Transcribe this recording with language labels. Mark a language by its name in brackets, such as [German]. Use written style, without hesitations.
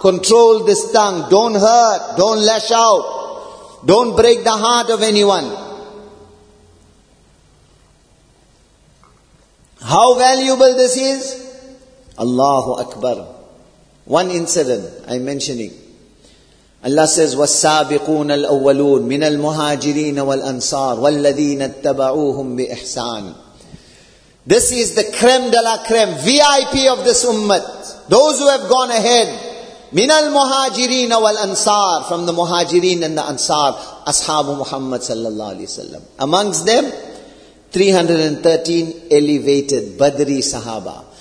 [English] Control this tongue. Don't hurt. Don't lash out. Don't break the heart of anyone. How valuable this is? Allahu Akbar. One incident I'm mentioning. Allah says, [Arabic] وَالسَّابِقُونَ الْأَوَّلُونَ مِنَ الْمُهَاجِرِينَ وَالْأَنصَارِ وَالَّذِينَ اتَّبَعُوهُمْ بِإِحْسَانٍ. [English] This is the creme de la creme, VIP of this ummah. Those who have gone ahead. [Arabic] مِنَ الْمُهَاجِرِينَ وَالْأَنصَارِ. [English] From the muhajirin and the ansar, Ashabu Muhammad sallallahu alayhi wa sallam. Amongst them, 313 elevated Badri sahaba.